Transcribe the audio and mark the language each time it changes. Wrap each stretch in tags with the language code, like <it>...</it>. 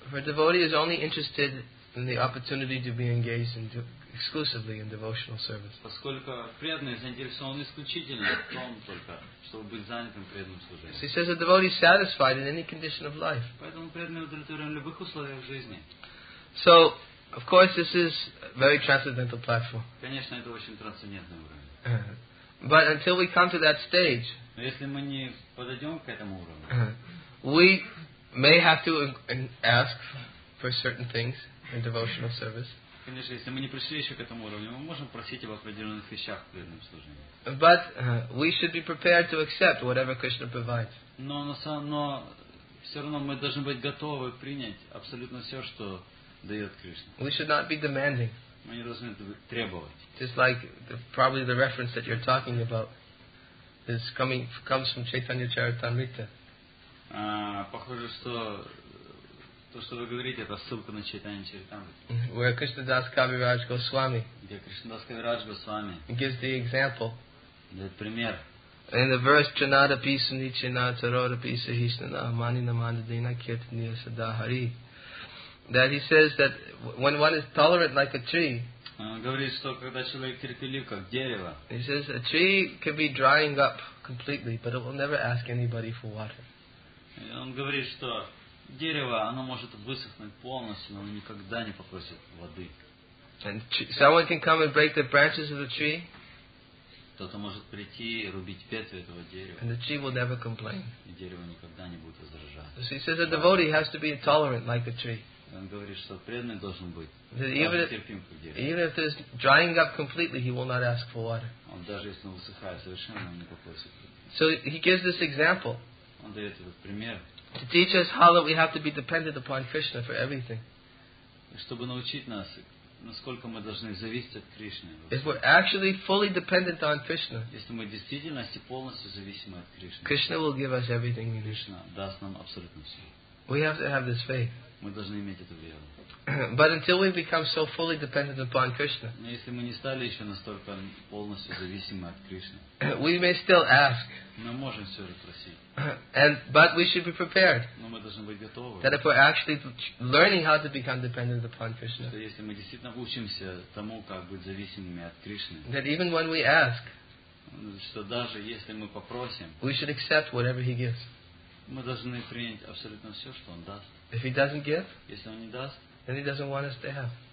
<en>For a devotee is only interested in the opportunity to be engaged in exclusively in devotional service.</en> <ru>Поскольку преданный заинтересован исключительно в том только, чтобы быть занятым преданным служением.</ru> <en>So he says a devotee is satisfied in any condition of life.</en> <ru>Поэтому преданный удовлетворен в любых условиях жизни.</ru> <en>So, of course, this is a very transcendental platform.</en> <ru>Конечно, это очень трансцендентный уровень.</ru> <en>But until we come to that stage,</en> <ru>если мы не подойдем к этому уровню,</ru> <en>we may have to ask for certain things in devotional service.</en> <ru>Конечно, если мы не пришли еще к этому уровню, мы можем просить об определенных вещах в преданном служении.</ru> <en>But we should be prepared to accept whatever Krishna provides.</en> <ru>Но все равно мы должны быть готовы принять абсолютно все, что дает Кришна.</ru> <en>We should not be demanding.</en> <ru>Мы не должны требовать.</ru> <en>Just like probably the reference that you're talking about is coming comes from Chaitanya Charitamrita.</en> <ru>Похоже, что то, что вы говорите, это ссылка на Чайтанья Чаритамриту.</ru> <en>Where Krishna Das Kaviraj Goswami.</en> <ru>Где Krishna Das Kaviraj Goswami.</ru> <en>Gives the example.</en> <ru>Дает пример.</ru> <en>In the verse Chanada Pisa Nichana Tarada Pisa Hishnana Mani Namanda Dina Kirtaniya Sadahari. That he says that when one is tolerant like a tree, he says a tree can be drying up completely, but it will never ask anybody for water.</en> <ru>Он говорит, что дерево, оно может высохнуть полностью, но оно никогда не попросит воды.</ru> <en>And someone can come and break the branches of the tree.</en> <ru>Кто-то может прийти и рубить ветви этого дерева.</ru> <en>And the tree will never complain.</en> <ru>И дерево никогда не будет возражать.</ru> <en>So he says a devotee has to be tolerant like a tree.</en> <ru>Он говорит, что преданный должен быть терпим к дереву.</ru> <en>Even if it's drying up completely, he will not ask for water.</en> <ru>Он даже если он высыхает совершенно, он не попросит.</ru> <en>So he gives this example.</en> <ru>Он дает этот пример.</ru> <en>To teach us how that we have to be dependent upon Krishna for everything.</en> <ru>Чтобы научить нас, насколько мы должны зависеть от Кришны.</ru> <en>If we're actually fully dependent on Krishna.</en> <ru>Если мы действительно полностью зависимы от Кришны.</ru> <en>Krishna will give us everything we need.</en> <ru>Кришна даст нам абсолютно все.</ru> <en>We have to have this faith.</en> <ru>Мы должны иметь эту веру.</ru> <en>But until we become so fully dependent upon Krishna.</en> <ru>Но если мы не стали еще настолько полностью зависимы от Кришны.</ru> <en>We may still ask.</en> <ru>Мы можем все же просить.</ru> <en>But we should be prepared.</en> <ru>Но мы должны быть готовы.</ru> <en>That if we're actually learning how to become dependent upon Krishna.</en> <ru>Что если мы действительно учимся тому, как быть зависимыми от Кришны.</ru> <en>That even when we ask.</en> <ru>Что даже если мы попросим.</ru> <en>We should accept whatever he gives.</en> <ru>Мы должны принять абсолютно все, что он даст.</ru> <en>If he doesn't give,</en> <ru>если он не даст,</ru> <en>then he doesn't want us to have.</en>